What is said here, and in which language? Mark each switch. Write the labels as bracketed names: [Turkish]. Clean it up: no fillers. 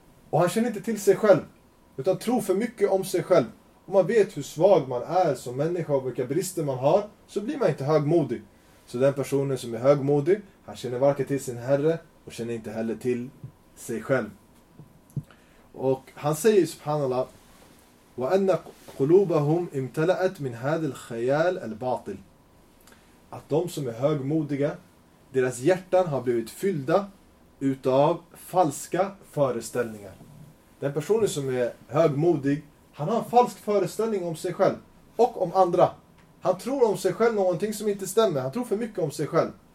[Swedish] Och han känner inte till sig själv, utan tror för mycket om sig själv. Om man vet hur svag man är som människa och vilka brister man har, så blir man inte högmodig. Så den personen som är högmodig, han känner varken till sin herre och känner inte heller till sig själv. Och han säger subhanallah, [Arabic] وأن قلوبهم امتلأت من هذا الخيال الباطل. [Swedish] Att de som är högmodiga, deras hjärtan har blivit fyllda utav falska föreställningar. Den personen som är högmodig, han har en falsk föreställning om sig själv och om andra. Han tror om sig själv någonting som inte stämmer. Han tror för mycket om sig själv.